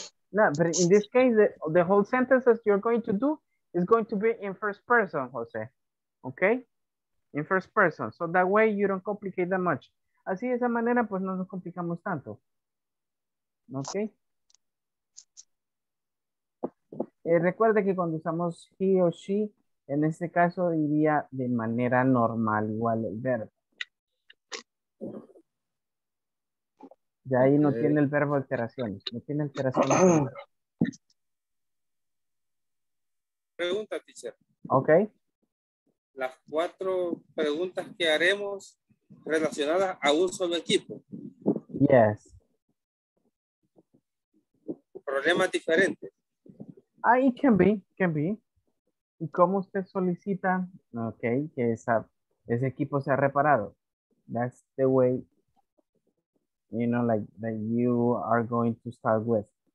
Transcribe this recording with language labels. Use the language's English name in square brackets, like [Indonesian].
[English] No, but in this case, the whole sentence that you're going to do is going to be in first person, Jose. Okay? In first person. So that way you don't complicate that much. [Spanish] Así de esa manera, pues no nos complicamos tanto. Okay? Recuerde que cuando usamos he o she, en este caso diría de manera normal, igual el verbo. De ahí no tiene el verbo alteraciones. No tiene alteraciones. Pregunta, teacher. Ok. Las cuatro preguntas que haremos relacionadas a un solo equipo. [English] Yes. [Spanish] Problemas diferentes. [English] Ah, it can be. [Spanish] ¿Y cómo usted solicita, okay, que esa, ese equipo sea reparado? [English] That's the way, you know, like, that you are going to start with.